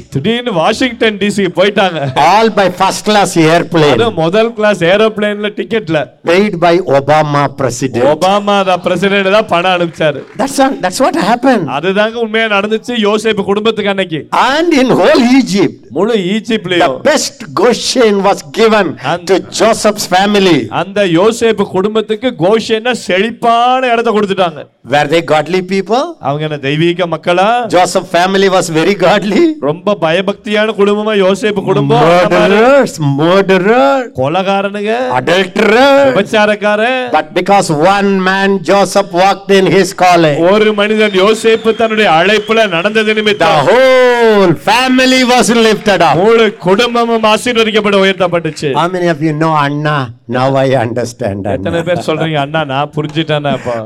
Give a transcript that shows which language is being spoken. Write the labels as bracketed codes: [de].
[ta] திடீர்னு Washington DC போயிட்டாங்க. [en] All by first class airplane. [ta] அது முதல் class ஏரோப்ளேன்ல டிக்கெட்ல. [en] Paid by Obama president. [ta] Obama தான் பிரசிடென்ட் தான் பணம் அனுப்பிச்சாரு. [en] That's what happened. [ta] அதுதாங்க உண்மையா நடந்துச்சு யோசேப் குடும்பத்துக்கு அன்னைக்கு. [en] And in whole Egypt. [ta] முழு ஈஜிப்ட்லயும் [en] the best Goshen was given to Joseph's family. [ta] அந்த யோசேப் குடும்பத்துக்கு கோஷேன்னா செழிப்பான இடம் கொடுத்துட்டாங்க. [en] Were they godly people? [ta] அவங்க என்ன தெய்வீக மக்களா? [en] Joseph family was very godly. [ta] ரொம்ப பயபக்தியான குடும்பமா யோசேப் குடும்பம். [en] Murderers, murderer. [ta] கொலகாரனுங்க. [en] Adulterer. [ta] விபச்சாரக்காரன். [en] But because one man Joseph walked in his calling. [ta] ஒரு மனிதன் யோசேப் தன்னுடைய அழைப்புல நடந்தது நிமித்தம். [en] The whole family was lifted up. [ta] ஒரு குடும்பமும் ஆசீர்வதிக்கப்பட உயர்த்தப்பட்டுச்சு. [en] How many of you know Anna? Now I understand. [ta] எத்தனை பேர் சொல்றீங்க அண்ணா நான் புரிஞ்சிட்டேன்னா இப்போ.